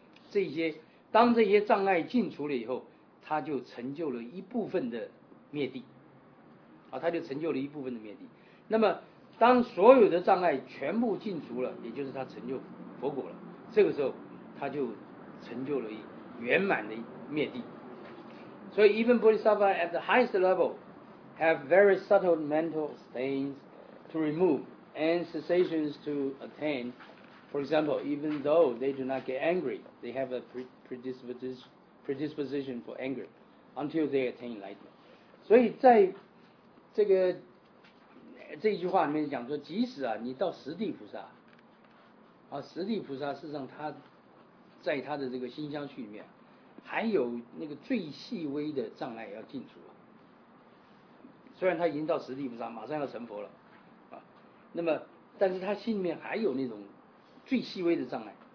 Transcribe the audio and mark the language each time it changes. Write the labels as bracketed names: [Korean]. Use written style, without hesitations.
[Chinese] 这些当这些障碍净除了以后，他就成就了一部分的灭谛。啊，他就成就了一部分的灭谛。那么当所有的障碍全部净除了，也就是他成就佛果了，这个时候他就成就了圆满的灭谛。所以 [English] even Bodhisattva at the highest level have very subtle mental stains to remove and cessations to attain. For example, even though they do not get angry, they have a predisposition for anger until they attain enlightenment. [Chinese] 所以在这个这一句话里面讲说，即使啊你到十地菩萨啊，十地菩萨事实上他在他的这个心相续里面还有那个最细微的障碍要净除啊，虽然他已经到十地菩萨马上要成佛了啊，那么但是他心里面还有那种最细微的障碍。